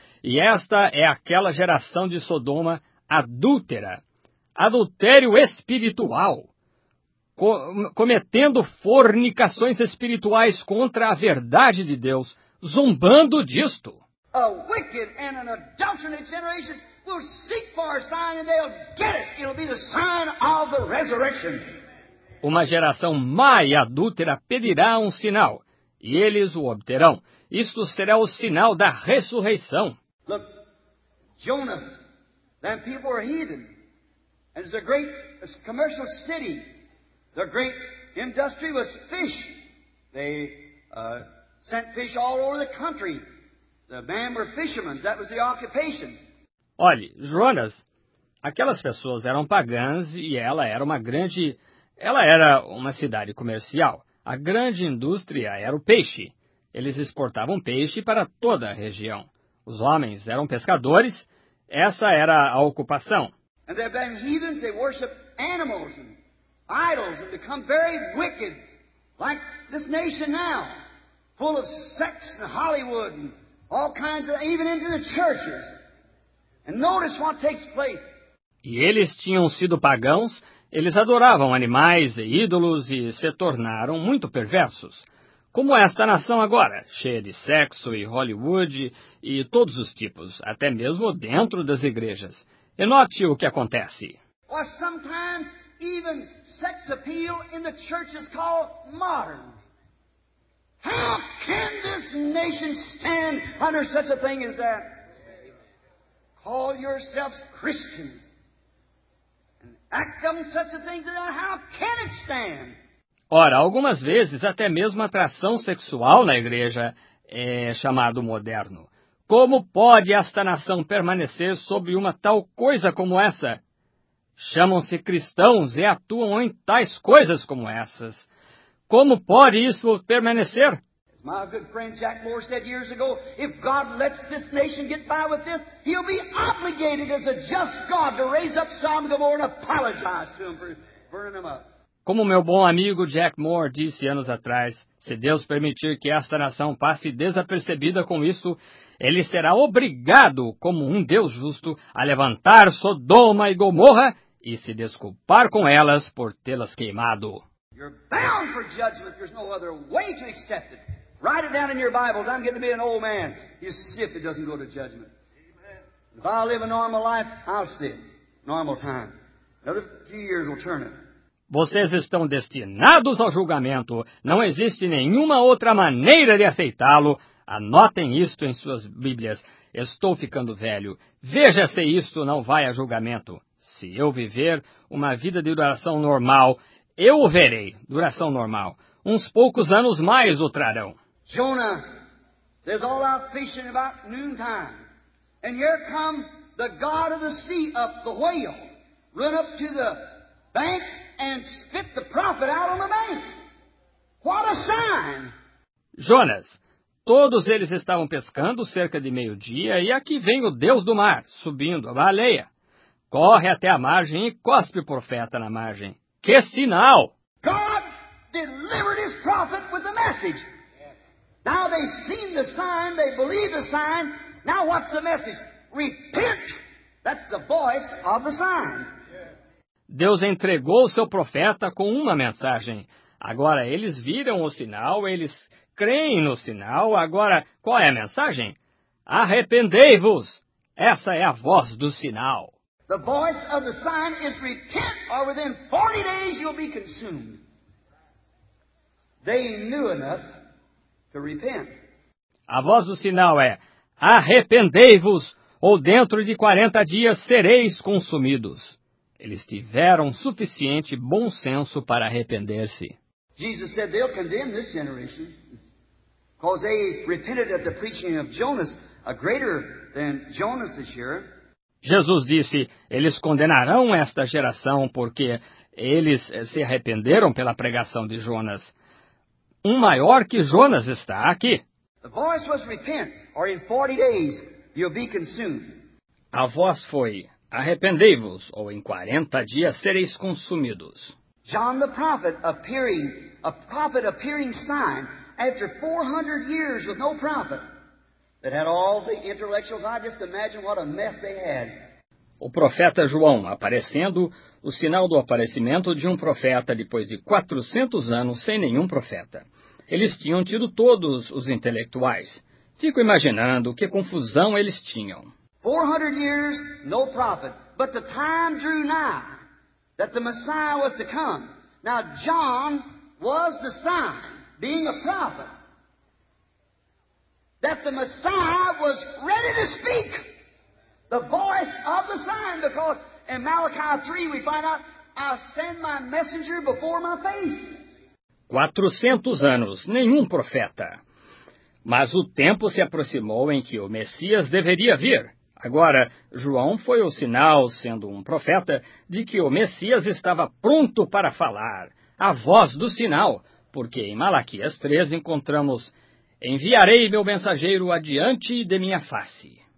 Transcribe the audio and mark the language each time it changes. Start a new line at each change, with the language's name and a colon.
Portuguese: E esta é aquela geração de Sodoma adúltera. Adultério espiritual. Cometendo fornicações espirituais contra a verdade de Deus. Zombando disto.
English: A wicked and an adulterate generation will seek for a sign and they'll get it. It'll be the sign of the resurrection.
Portuguese: Uma geração má e adúltera pedirá um sinal, e eles o obterão. Isto será o sinal da ressurreição.
English: Look, Jonah, them people are heathen. And it's a great commercial city. The great industry was fish. They sent fish all over the country. The men were fishermen. That was the occupation.
Portuguese: Olhe, Jonas, aquelas pessoas eram pagãs e ela era uma grande... Ela era uma cidade comercial. A grande indústria era o peixe. Eles exportavam peixe para toda a região. Os homens eram pescadores. Essa era a ocupação.
English: And there have been heathens, they worship animals and idols and become very wicked, like this nation now, full of sex and Hollywood and all kinds of, even into the churches. And notice what takes place.
Portuguese: e eles tinham sido pagãos, eles adoravam animais e ídolos e se tornaram muito perversos. Como esta nação agora, cheia de sexo e Hollywood e todos os tipos, até mesmo dentro das igrejas. E note o que acontece. Ou, às vezes, até o sex appeal na igreja é chamado moderno.
English: How can this nation stand under such a thing as that? Call yourselves Christians and act on such a thing as that? How can it stand?
Portuguese: Ora, algumas vezes até mesmo a atração sexual na igreja é chamado moderno. Como pode esta nação permanecer sob uma tal coisa como essa? Chamam-se cristãos e atuam em tais coisas como essas. Como pode isso permanecer?
English: My good friend Jack Moore said years ago, if God lets this nation get by with this, he'll be obligated as a just God to raise up Sodom and Gomorrah and apologize to them for burning them up.
Portuguese: Como meu bom amigo Jack Moore disse anos atrás, se Deus permitir que esta nação passe desapercebida com isso, ele será obrigado, como um Deus justo, a levantar Sodoma e Gomorra e se desculpar com elas por tê-las queimado.
English: You're bound for judgment. There's no other way to accept it. Write it down in your Bibles. I'm getting to be an old man. You see if it doesn't go to judgment. If I live a normal life, I'll see it. Normal time. Another few years will turn it.
Portuguese: Vocês estão destinados ao julgamento. Não existe nenhuma outra maneira de aceitá-lo. Anotem isto em suas Bíblias. Estou ficando velho. Veja se isto não vai a julgamento. Se eu viver uma vida de duração normal, eu o verei, duração normal. Uns poucos anos mais o trarão.
English: Jonah, there's all out fishing about noontime. And here come the god of the sea up, the whale, run up to the bank and spit the prophet out on the bank. What a sign!
Portuguese: Jonas, todos eles estavam pescando cerca de meio-dia e aqui vem o deus do mar, subindo a baleia. Corre até a margem e cospe o profeta na margem. Que sinal!
English: God delivered his prophet with a message. Now they've seen the sign, they believe the sign. Now what's the message? Repent! That's the voice of the sign.
Portuguese: Deus entregou o seu profeta com uma mensagem. Agora eles viram o sinal, eles creem no sinal. Agora, qual é a mensagem? Arrependei-vos! Essa é a voz do sinal.
English: The voice of the sign is repent, or within 40 days you'll be consumed. They knew enough to repent.
Portuguese: A voz do sinal é, arrependei-vos, ou dentro de 40 dias sereis consumidos. Eles tiveram suficiente bom senso para arrepender-se.
English: Jesus said they'll condemn this generation, because they repented at the preaching of Jonas, a greater than Jonas this year.
Portuguese: Jesus disse, eles condenarão esta geração porque eles se arrependeram pela pregação de Jonas. Um maior que Jonas está aqui.
English: The voice was repent, or in 40 days you'll be consumed.
Portuguese: A voz foi, arrependei-vos, ou em 40 dias sereis consumidos.
English: John the prophet appearing, a prophet appearing sign, after 400 years with no prophet. That had all the intellectuals. I just imagine what a mess they had.
Portuguese: O profeta João aparecendo, o sinal do aparecimento de um profeta depois de 400 anos sem nenhum profeta. Eles tinham tido todos os intelectuais. Fico imaginando que confusão eles tinham.
English: 400 years, no prophet. But the time drew nigh that the Messiah was to come. Now John was the sign, being a prophet. That the Messiah was ready to speak. The voice of the sign. Because in Malachi 3 we find out, I send my messenger before my face.
Portuguese: 400 anos, nenhum profeta. Mas o tempo se aproximou em que o Messias deveria vir. Agora, João foi o sinal, sendo um profeta, de que o Messias estava pronto para falar. A voz do sinal. Porque em Malaquias 3 encontramos, enviarei meu mensageiro adiante de minha face.